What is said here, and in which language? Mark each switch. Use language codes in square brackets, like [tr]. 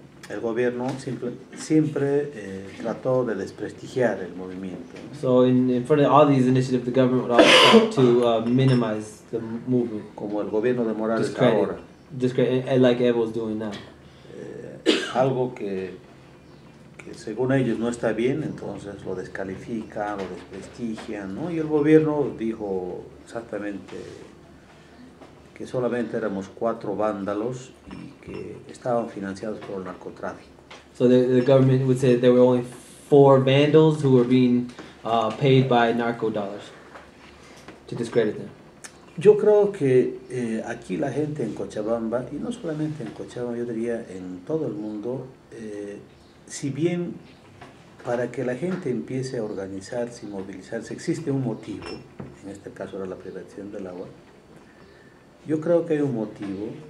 [es] El gobierno siempre trató de desprestigiar el movimiento. [en] So in front of all these initiatives, the government would always try to minimize the movement. [es] Como el gobierno de Morales ahora. [en] Discredit, like Evo's doing now. [es] Algo que según ellos no está bien, entonces lo descalifican, lo desprestigian, ¿no? Y el gobierno dijo exactamente que solamente éramos cuatro vándalos y que estaban financiados por el narcotráfico. [en] So the government would say that there were only four vandals who were being paid by narco dollars to discredit them. [es] Yo creo que aquí la gente en Cochabamba, y no solamente en Cochabamba, yo diría en todo el mundo, si bien para que la gente empiece a organizarse y movilizarse, existe un motivo, en este caso era la privatización del agua, yo creo que hay un motivo